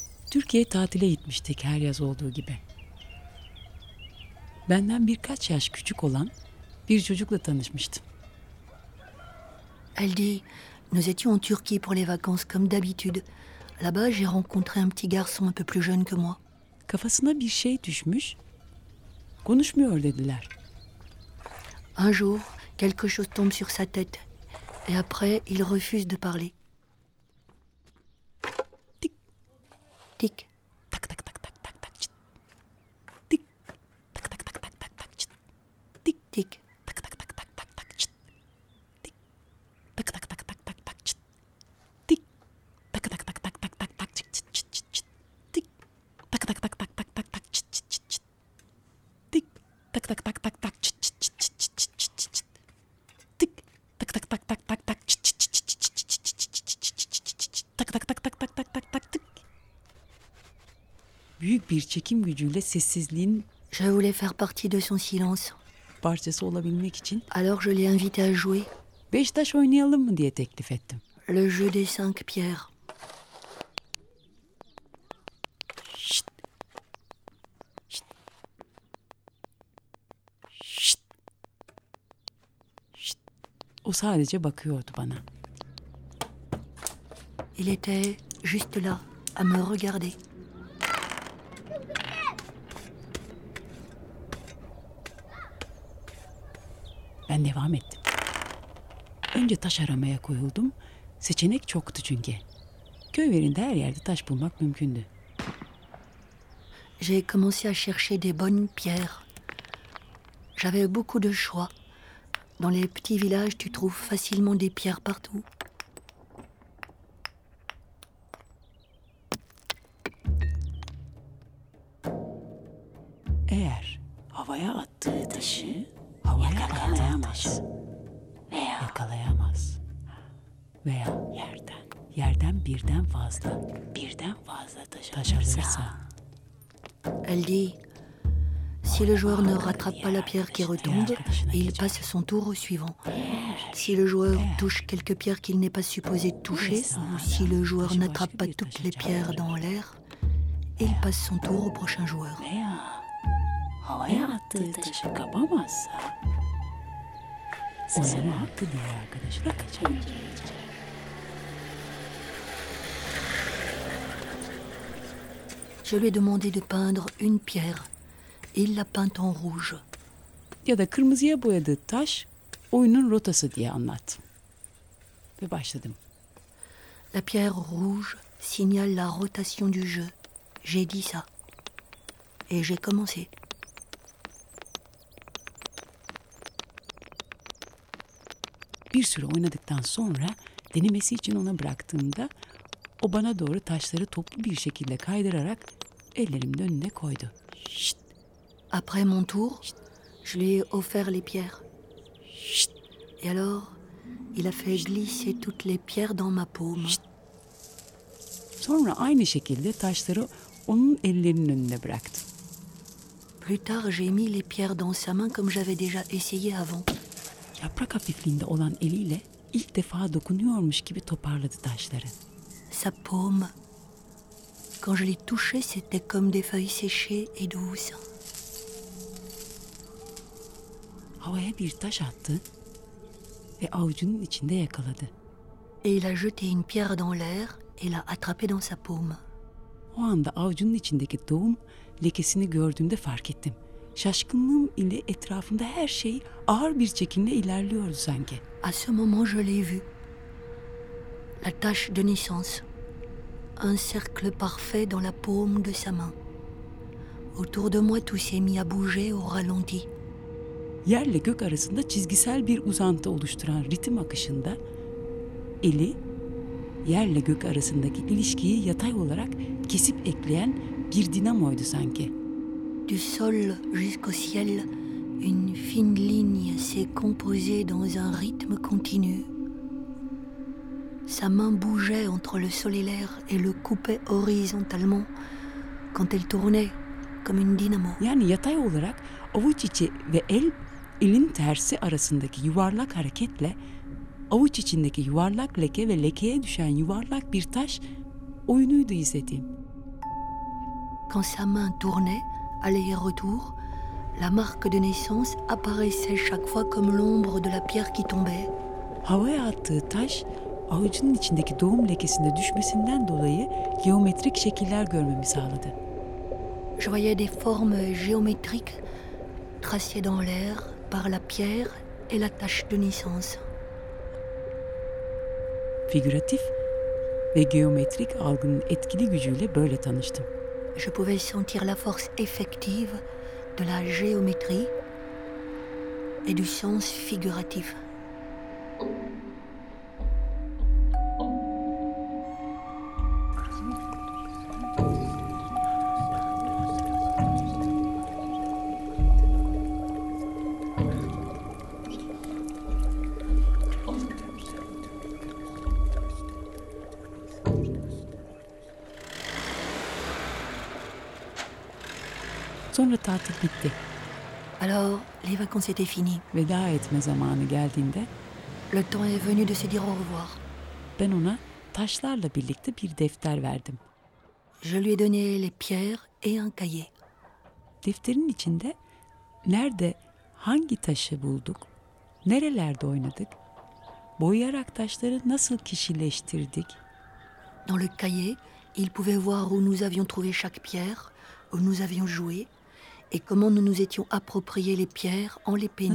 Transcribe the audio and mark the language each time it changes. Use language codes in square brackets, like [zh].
[tr] Türkiye tatile gitmiştik her yaz olduğu gibi. Benden birkaç yaş küçük olan bir çocukla tanışmıştım. [fr] Elle dit, nous étions en Turquie pour les vacances comme d'habitude. Là-bas, j'ai rencontré un petit garçon un peu plus jeune que moi. [tr] Kafasına bir şey düşmüş. Konuşmuyor dediler. [fr] Un jour, quelque chose tombe sur sa tête et après, il refuse de parler. Tik. Tak tak tak tak tak tak çıt. Tik. Tak tak tak tak tak tak çıt. Tik tik. Tak tak tak tak tak tak çıt. Tik. Tak tak tak tak tak tak çıt. Tik. Tak tak tak tak tak tak tak çıt çıt çıt çıt çıt. Tik. Tak tak tak tak tak tak tak çıt çıt çıt çıt. Tik. Tak tak tak tak tak çıt çıt çıt çıt çıt çıt çıt çıt çıt. Tik. Tak tak tak tak tak tak çıt çıt çıt çıt çıt çıt çıt çıt çıt çıt çıt çıt çıt çıt çıt çıt çıt çıt. Tak tak tak tak tak tak tak tak tik. [tr] Büyük bir çekim gücüyle sessizliğin [fr] je voulais faire partie de son silence. [tr] Parçası olabilmek için. [fr] Alors je l'ai invité à jouer. [tr] Beş taş oynayalım mı diye teklif ettim. [fr] Le jeu des cinq pierres. Şşt. Şşt. Şşt. Şşt. [tr] O sadece bakıyordu bana. [fr] Il était juste là à me regarder. [tr] Ben devam ettim. Önce taş aramaya koyuldum. Seçenek çoktu çünkü. Köylerinde her yerde taş bulmak mümkündü. [fr] J'ai commencé à chercher des bonnes pierres. J'avais beaucoup de choix. Dans les petits villages, tu trouves facilement des pierres partout. [tr] Eğer havaya attığı taşı yakalayamaz. Veya. Yakalayamaz. Veya. Yerden. Yerden birden fazla. Birden fazla taş alırsa. [fr] Elle dit, si le joueur ne rattrape pas la pierre qui retombe, il passe son tour au suivant. Si le joueur touche quelques pierres qu'il n'est pas supposé toucher, ou si le joueur n'attrape pas toutes les pierres dans l'air, il passe son tour au prochain joueur. [tr] Havaya attığı taşı kapamazsa onun hakkı diye arkadaşına kaçamayacak. [fr] Je lui ai demandé de peindre une pierre. Il l'a peinte en rouge. [tr] Ya da kırmızıya boyadığı taş oyunun rotası diye anlat. Ve başladım. [fr] La pierre rouge signale la rotation du jeu. J'ai dit ça. Et j'ai commencé. [tr] Bir süre oynadıktan sonra denemesi için ona bıraktığımda o bana doğru taşları toplu bir şekilde kaydırarak ellerimin önüne koydu. [fr] Şşt. Après mon tour, Şşt. Je lui ai offert les pierres. Şşt. Et alors, il a fait glisser toutes les pierres dans ma paume. Şşt. [tr] Sonra aynı şekilde taşları onun ellerinin önüne bıraktım. [fr] Plus tard, j'ai mis les pierres dans sa main comme j'avais déjà essayé avant. [tr] Yaprak hafifliğinde olan eliyle ilk defa dokunuyormuş gibi toparladı taşları. [fr] Sa paume. Quand je l'ai touché, c'était comme des feuilles séchées et douces. [tr] Havaya bir taş attı ve avucunun içinde yakaladı. [fr] Et il a jeté une pierre dans l'air et l'a attrapée dans sa paume. [tr] O anda avucunun içindeki doğum lekesini gördüğümde fark ettim. Şaşkınlığım ile etrafımda her şey ağır bir çekimle ilerliyordu sanki. [fr] À ce moment, je l'ai vu. La tache de naissance. Un cercle parfait dans la paume de sa main. Autour de moi, tout s'est mis à bouger au ralenti. [tr] yerle gök arasında çizgisel bir uzantı oluşturan ritim akışında eli yerle gök arasındaki ilişkiyi yatay olarak kesip ekleyen bir dinamoydu sanki. [fr] Du sol jusqu'au ciel, une fine ligne s'est composée dans un rythme continu. Sa main bougeait entre le sol et l'air et le coupait horizontalement quand elle tournait comme une dynamo. [tr] Yani yatay olarak avuç içi ve elin tersi arasındaki yuvarlak hareketle avuç içindeki yuvarlak leke ve lekeye düşen yuvarlak bir taş oyunuydu izlediğim. [fr] Quand sa main tournait, aller et retour, la marque de naissance apparaissait chaque fois comme l'ombre de la pierre qui tombait. [tr] Havaya attığı taş, avucunun içindeki doğum lekesinde düşmesinden dolayı geometrik şekiller görmemi sağladı. [fr] Je voyais des formes géométriques tracées dans l'air par la pierre et la tache de naissance. [tr] Figüratif ve geometrik algının etkili gücüyle böyle tanıştım. [fr] Je pouvais sentir la force effective de la géométrie et du sens figuratif. [tr] Sonra tatil bitti. [fr] Alors, les vacances étaient finies. [tr] Veda etme zamanı geldiğinde, [fr] le temps est venu de se dire au revoir. [tr] Ben ona taşlarla birlikte bir defter verdim. [fr] Je lui ai donné les pierres et un cahier. [tr] Defterin içinde nerede hangi taşı bulduk, nerelerde oynadık, boyayarak taşları nasıl kişileştirdik. [fr] Dans le cahier, il pouvait voir où nous avions trouvé chaque pierre, où nous avions joué. Et comment nous nous étions approprié les pierres en les peignant.